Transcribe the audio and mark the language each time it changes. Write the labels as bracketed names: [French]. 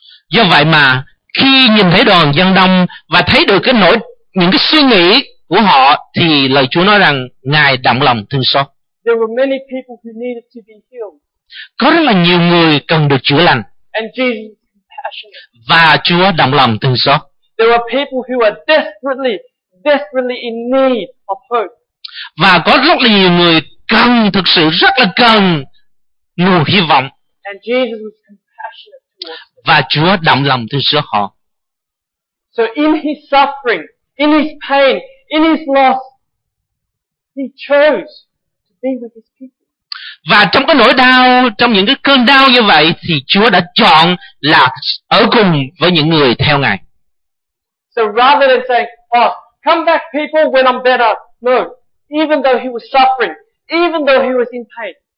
[Vietnamese] do vậy mà khi nhìn thấy đoàn dân đông và thấy được cái nỗi những cái suy nghĩ của họ thì lời Chúa nói rằng Ngài động lòng thương xót. [English] There were many people who needed to be healed. [Vietnamese] Có rất là nhiều người cần được chữa lành. [English] And Jesus was compassionate. [Vietnamese] Và Chúa động lòng thương xót. [English] There were people who were desperately, desperately in need of hope. [Vietnamese] Và có rất là nhiều người cần thực sự rất là cần nguồn hy vọng. [English] And Jesus was compassionate. [Vietnamese] Và Chúa động lòng thương xót họ. [English] So in his suffering, in his pain, in his loss, he chose to be with his people. [Vietnamese] Và trong cái nỗi đau, trong những cái cơn đau như vậy thì Chúa đã chọn là ở cùng với những người theo Ngài. [English] So rather than saying, "Oh, come back people when I'm better." No, even though he was suffering, even though he was in pain.